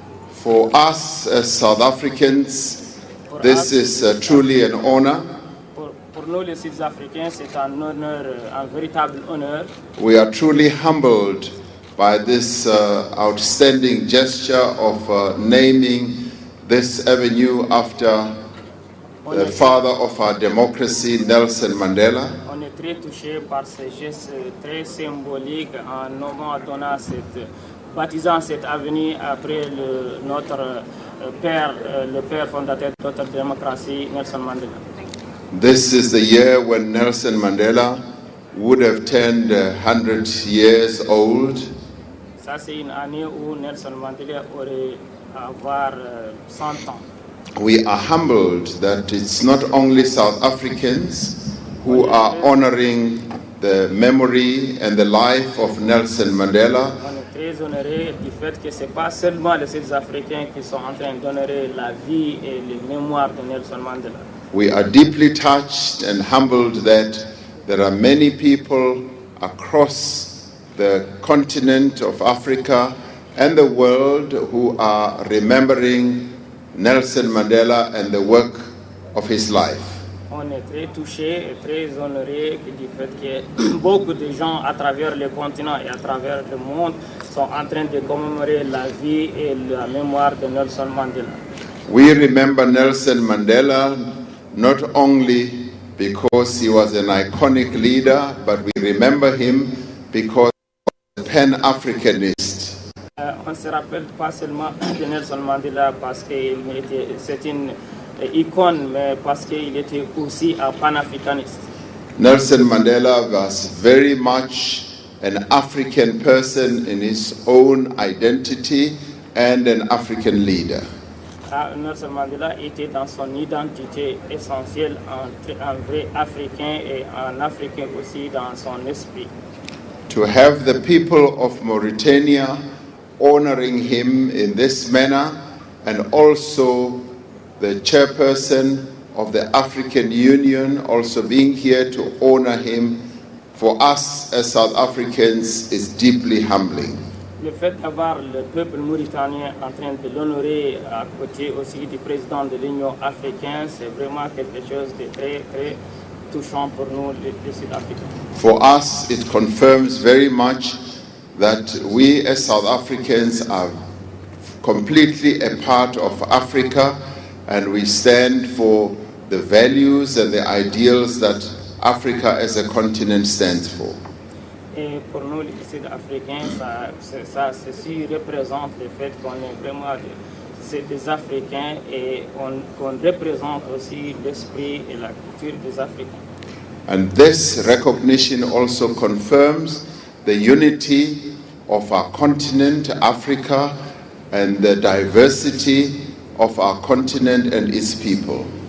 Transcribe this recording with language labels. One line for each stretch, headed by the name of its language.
English: For us as South Africans, this is truly an honor.
French: Pour nous, les Sud Africains, c'est un honneur, un véritable honneur.
English: We are truly humbled by this outstanding gesture of naming this avenue after the father of our democracy, Nelson Mandela.
French: On est très touché par ce geste très symbolique en nommant, donnant cette, baptisant cette avenue après le, notre père, le père fondateur de notre démocratie, Nelson Mandela.
English: This is the year when Nelson Mandela would have turned 100 years old.
French: Ça c'est une année où Nelson Mandela aurait avoir 100 ans.
English: We are humbled that it's not only South Africans who are honoring the memory and the life of Nelson Mandela.
French: On est très honoré du fait que c'est pas seulement les Sud-Africains qui sont en train d'honorer la vie et les mémoires de Nelson Mandela.
English: We are deeply touched and humbled that there are many people across the continent of Africa and the world who are remembering Nelson Mandela and the work of his life.
French: On est très touché et très honoré du fait que beaucoup de gens à travers le continent et à travers le monde sont en train de commémorer la vie et la mémoire de Nelson Mandela.
English: We remember Nelson Mandela not only because he was an iconic leader, but we remember him because he was a pan-Africanist.
French: On se rappelle pas seulement de Nelson Mandela parce qu'il était c'est une icône, mais parce qu'il était aussi un pan-Africanist.
English: Nelson Mandela was very much an African person in his own identity and an African leader.
French: Nelson Mandela était dans son identité essentielle un vrai Africain et un Africain aussi dans son esprit.
English: To have the people of Mauritania honoring him in this manner and also the chairperson of the African Union also being here to honor him for us as South Africans is deeply humbling.
French: Le fait d'avoir le peuple mauritanien en train de l'honorer à côté aussi du président de l'Union africaine, c'est vraiment quelque chose de très, très touchant pour nous, les Sud-Africains.
English: For us, it confirms very much that we as South Africans are completely a part of Africa and we stand for the values and the ideals that Africa as a continent stands for.
French: Et pour nous, les Sud-Africains, ceci représente le fait qu'on est vraiment des Africains et qu'on représente aussi l'esprit et la culture des Africains.
English: And this recognition also confirms the unity of our continent, Africa, and the diversity of our continent and its people.